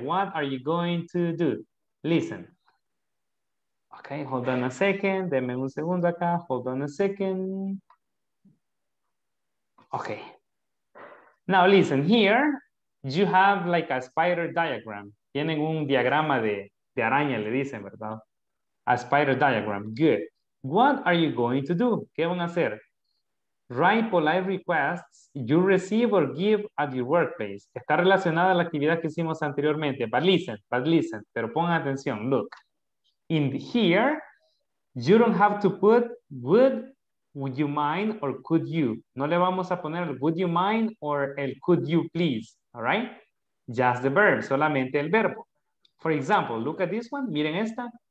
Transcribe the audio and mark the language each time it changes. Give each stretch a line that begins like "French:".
English: What are you going to do? Listen. Okay, hold on a second.
Spanish: Deme un segundo acá.
English: Hold on a second. Okay. Now listen, here you have like a spider diagram.
Spanish: Tienen un diagrama de araña, le dicen, ¿verdad?
English: A spider diagram. Good. What are you going to do?
Spanish: ¿Qué van a hacer?
English: Write polite requests you receive or give at your workplace.
Spanish: Está relacionada a la actividad que hicimos anteriormente.
English: But listen,
Spanish: pero pongan atención,
English: look. In here, you don't have to put would you mind or could you.
Spanish: No le vamos a poner el
English: would you mind or el could you please, all right? Just the verb,
Spanish: solamente el verbo.
English: For example, look at this one,
Spanish: miren esta.